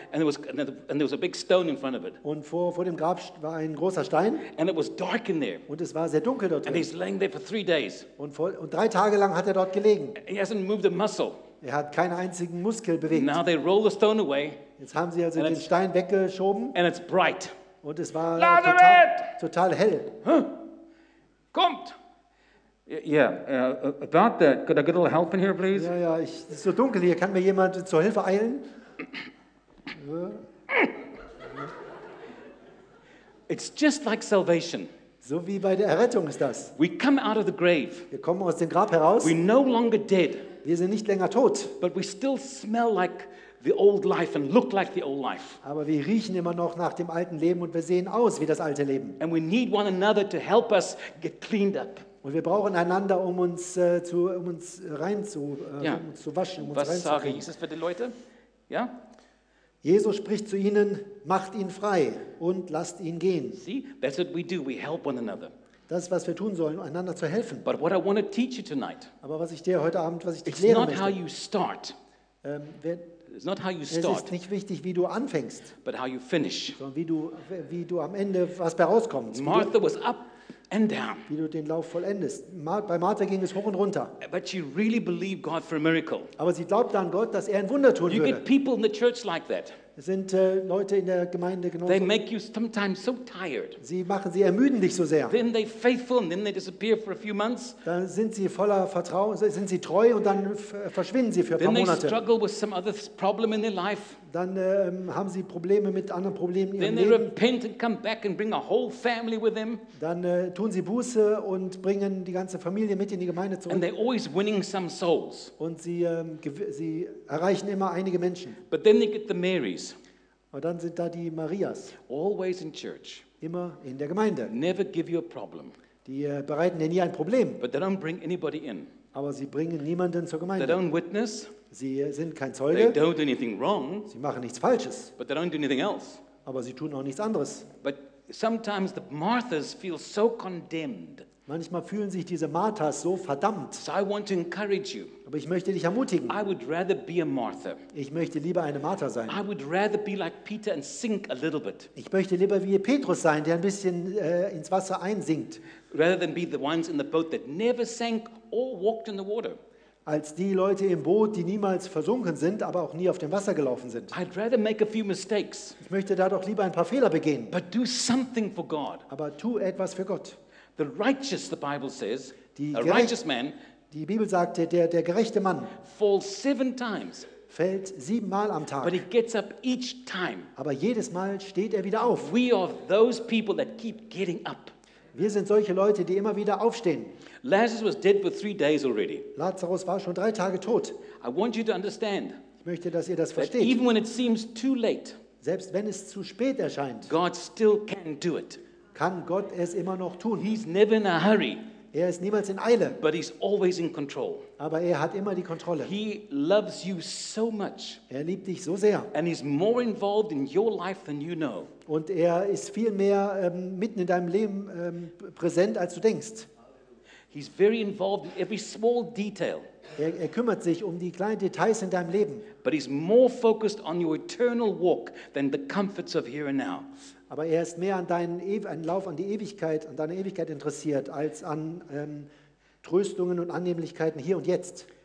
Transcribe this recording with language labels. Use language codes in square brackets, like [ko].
[en] And there was a big stone in front of it. [de] Und vor dem Grab war ein großer Stein. [en] And it was dark in there. [de] Und es war sehr dunkel dort drin. [en] And he's laying there for 3 days. [de] Und 3 Tage lang hat er dort gelegen. [en] He hasn't moved a muscle. [de] Er hat keinen einzigen Muskel bewegt. [en] Now they roll the stone away. [de] Jetzt haben sie also den Stein weggeschoben. [en] And it's bright. [de] Und es war total hell. [en] Huh? Kommt. Yeah, about that. Could I get a little help in here, please? [de] Ja, es ist so dunkel hier. Kann mir jemand zur Hilfe eilen? [en] It's just like salvation. [de] So wie bei der Errettung ist das. [en] We come out of the grave. [de] Wir kommen aus dem Grab heraus. [en] We're no longer dead. [de] Wir sind nicht länger tot. [en] But we still smell like the old life and look like the old life. [de] Aber wir riechen immer noch nach dem alten Leben und wir sehen aus wie das alte Leben. [en] And we need one another to help us get cleaned up. [de] Und wir brauchen einander, um uns zu waschen, um uns reinzukriegen. Was sagt Jesus für die Leute? Ja? Jesus spricht zu ihnen: Macht ihn frei und lasst ihn gehen. [en] See, that's what we do. We help one another. [de] Das ist, was wir tun sollen, einander zu helfen. [en] But what I want to teach you tonight. [de] Aber was ich dir heute Abend, was ich dich lehren möchte. [en] It's not how you start. It's not how you start. [de] Es ist nicht wichtig, wie du anfängst. [en] But how you finish. [de] Sondern wie du am Ende was bei rauskommst. [en] Martha was up. And down. [de] Wie du den Lauf vollendest. Bei Martha ging es hoch und runter. [en] But she really believed God for a miracle. [de] Aber sie glaubte an Gott, dass er ein Wunder tun [en] you [de] würde. [en] Get people in the church like that. [de] Es sind Leute in der Gemeinde genauso. [en] They make you sometimes so tired. [de] Sie ermüden dich so sehr. [en] Then they faithful and then they disappear for a few months. [de] Dann sind sie voller Vertrauen, sind sie treu und dann verschwinden sie für [en] then [de] ein paar Monate. [en] They struggle with some other problem in their life. [de] Dann haben sie Probleme mit anderen Problemen in ihrem [en] Then they repent and come back and bring a whole family with them. [de] Dann tun sie Buße und bringen die ganze Familie mit in die Gemeinde zurück. [en] And they're always winning some souls. [de] Und sie erreichen immer einige Menschen. [en] But then they get the Marys. [de] Und dann sind da die Marias. [en] Always in church. [de] Immer in der Gemeinde. [en] Never give you a problem. [de] Die bereiten dir nie ein Problem. [en] But they don't bring anybody in. [de] Aber sie bringen niemanden zur Gemeinde. [en] They don't witness. [de] Sie sind kein Zeuge. [en] They don't do anything wrong, [de] sie machen nichts Falsches. [en] But they don't do anything else. [de] Aber sie tun auch nichts anderes. [en] But sometimes the Marthas feel so condemned. [de] Manchmal fühlen sich diese Marthas so verdammt. [en] So I want to encourage you. [de] Aber ich möchte dich ermutigen. [en] I would rather be a Martha. [de] Ich möchte lieber eine Martha sein. [en] I would rather be like Peter and sink a little bit. [de] Ich möchte lieber wie Petrus sein, der ein bisschen ins Wasser einsinkt. [en] Rather than be the ones in the boat that never sank or walked in the water. [de] Als die Leute im Boot, die niemals versunken sind, aber auch nie auf dem Wasser gelaufen sind. [en] I'd rather make a few mistakes. [de] Ich möchte da doch lieber ein paar Fehler begehen. [en] But do something for God. [de] Aber tu etwas für Gott. [en] The righteous, the Bible says, [de] die [en] a righteous man, [de] die Bibel sagt, der gerechte Mann [en] falls 7 times. [de] Fällt 7 Mal am Tag. [en] But he gets up each time. [de] Aber jedes Mal steht er wieder auf. [en] We are those people that keep getting up. [de] Wir sind solche Leute, die immer wieder aufstehen. [en] Lazarus was dead for 3 days already. [de] Lazarus war schon 3 Tage tot. [en] I want you to understand. [de] Ich möchte, dass ihr das versteht. [en] Even when it seems too late. [de] Selbst wenn es zu spät erscheint. [en] God still can do it. [de] Kann Gott es immer noch tun? [en] He's never in a hurry. [de] Er ist niemals in Eile. [en] But he's always in control. [de] Aber er hat immer die Kontrolle. [en] He loves you so much. [de] Er liebt dich so sehr. [en] And he's more involved in your life than you know. [de] Und er ist viel mehr mitten in deinem Leben präsent, als du denkst. [en] He's very involved in every small detail. [de] Er kümmert sich um die kleinen Details in deinem Leben. [en] But he's more focused on your eternal walk than the comforts of here and now. [de] Aber er ist mehr an deinen Lauf an die Ewigkeit, an deine Ewigkeit interessiert, als an Tröstungen und Annehmlichkeiten hier und jetzt.